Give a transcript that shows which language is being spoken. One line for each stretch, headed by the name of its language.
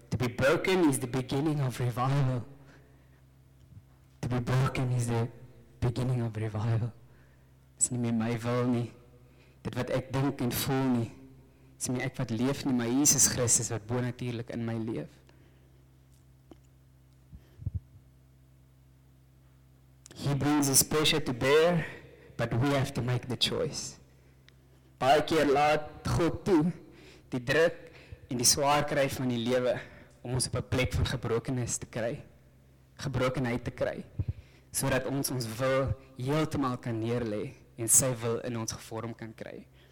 English: To be broken is the beginning of revival. To be broken is the beginning of revival.
Afrikaans: Is nie meer my wil nie. Dit wat ek dink en voel nie. Is nie meer ek wat leef nie, maar Jesus Christus wat bonatuurlik in my leef.
English: He brings his pressure to bear, but we have to make the choice.
Afrikaans: Baie keer laat God toe die druk en die swaar kry van die lewe om ons op 'n plek van gebrokenis te kry, gebrokenheid te kry, sodat ons wil heeltemal kan neerlê en sy wil in ons gevorm kan kry.